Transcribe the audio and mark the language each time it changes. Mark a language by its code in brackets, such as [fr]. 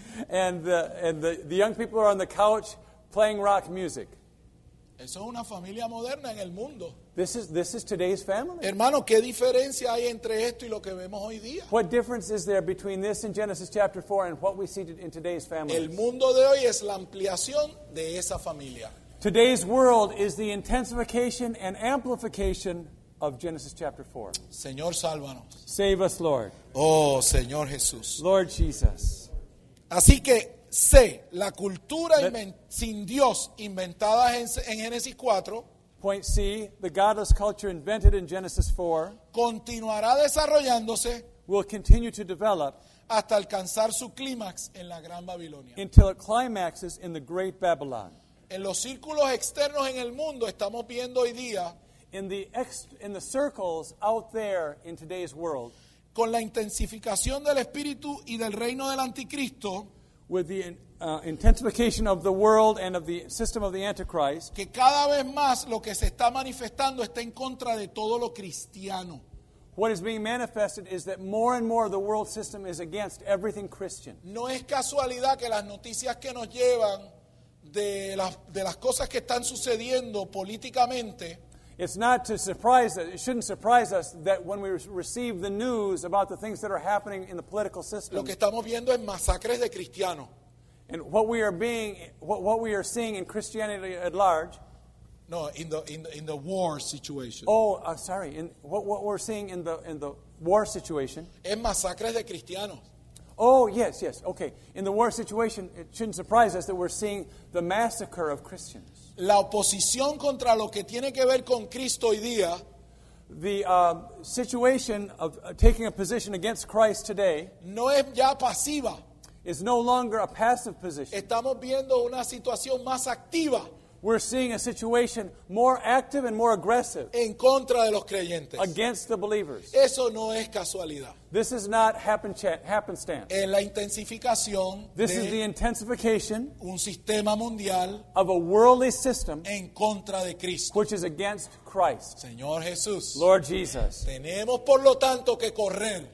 [en] And the young people are on the couch playing rock music. [es] Eso es una familia moderna en el mundo. [en] This is today's family. [es] Hermano, ¿qué diferencia hay entre esto y lo que vemos hoy día? [en] What difference is there between this and Genesis chapter 4 and what we see in today's families? [es] El mundo de hoy es la ampliación de esa familia. [en] Today's world is the intensification and amplification of Genesis chapter 4. [es] Señor, sálvanos. [en] Save us, Lord. [es] Oh, Señor Jesús. [en] Lord Jesus. [es] Así que sé, la cultura sin Dios inventada en Génesis 4. [en] Point C, the godless culture invented in Genesis 4 [es] continuará desarrollándose, [en] will continue to develop [es] hasta alcanzar su clímax en la Gran Babilonia. [en] Until it climaxes in the Great Babylon. [es] En los círculos externos en el mundo estamos viendo hoy día [en] in the circles out there in today's world, [es] con la intensificación del espíritu y del reino del anticristo, [en] with the intensification of the world and of the system of the Antichrist, [es] que cada vez más lo que se está manifestando está en contra de todo lo cristiano. [en] What is being manifested is that more and more the world system is against everything Christian. [es] No es casualidad que las noticias que nos llevan de las cosas que están sucediendo políticamente, [en] it's not to surprise us, it shouldn't surprise us that when we receive the news about the things that are happening in the political system, [es] lo que estamos viendo es masacres de cristianos. [en] And what we are seeing in Christianity at large. No, in the war situation. Oh, sorry. What we're seeing in the war situation. [es] Es masacres de cristianos. [en] Oh, yes, yes. Okay. In the war situation, it shouldn't surprise us that we're seeing the massacre of Christians. [es] La oposición contra lo que tiene que ver con Cristo hoy día. [en] The situation of taking a position against Christ today. [es] No es ya pasiva. [en] Is no longer a passive position. [es] Estamos viendo una situación más activa. [en] We're seeing a situation more active and more aggressive. [es] En contra de los creyentes. [en] Against the believers. [es] Eso no es casualidad. [en] This is not happenstance. [es] En la intensificación. [en] This is the intensification. [es] Un sistema mundial. [en] Of a worldly system. [es] En contra de Cristo. [en] Which is against Christ. [es] Señor Jesús. [en] Lord Jesus. [es] Tenemos por lo tanto que correr.